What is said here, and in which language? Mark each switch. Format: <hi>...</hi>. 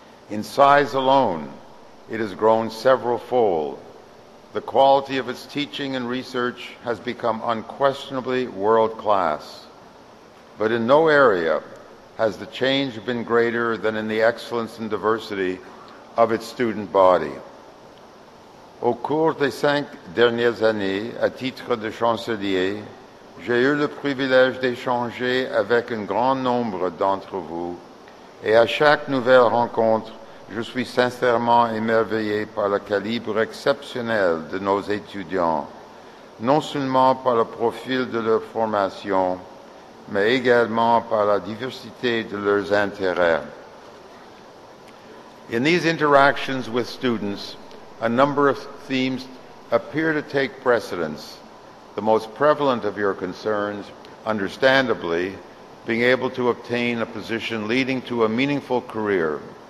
<en>In size alone, it has grown several-fold. The quality of its teaching and research has become unquestionably world-class. But in no area has the change been greater than in the excellence and diversity of its student body.</en> <fr>Au cours des cinq dernières années, à titre de chancelier, j'ai eu le privilège d'échanger avec un grand nombre d'entre vous, et à chaque nouvelle rencontre, je suis sincèrement émerveillé par le calibre exceptionnel de nos étudiants, non seulement par le profil de leur formation, mais également par la diversité de leurs intérêts.</fr> <en>In these interactions with students, a number of themes appear to take precedence, the most prevalent of your concerns, understandably, being able to obtain a position leading to a meaningful career.</en>